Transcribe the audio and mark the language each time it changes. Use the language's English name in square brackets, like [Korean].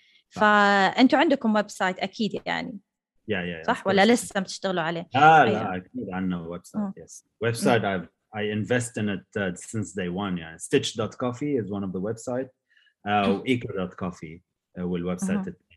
[Arabic] فأنتوا عندكم ويب سايت أكيد يعني. [English] Yeah. [Arabic] ولا لسه بتشتغلوا عليه؟ لا أكيد عنا ويب سايت. [English] Yes. Website I invest in it since day one. Yeah. Stitch.coffee is one of the website. [Arabic] Eco.coffee والويب سايت.